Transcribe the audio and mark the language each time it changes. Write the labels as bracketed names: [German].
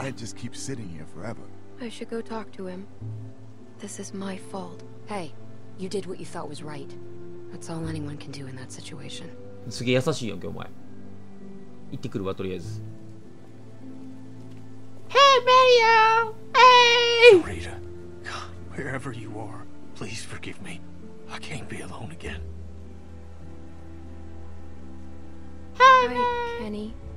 [English] I can't just keep sitting here forever. I should go talk to him. This is my fault. Hey, you did what you thought was right. That's all anyone can do in that situation. [Japanese] すげえ優しいよ、今日お前。行ってくるわ、とりあえず。 [English] Mario! Hey! Rita, God, wherever you are, please forgive me. I can't be alone again. Hi, Kenny.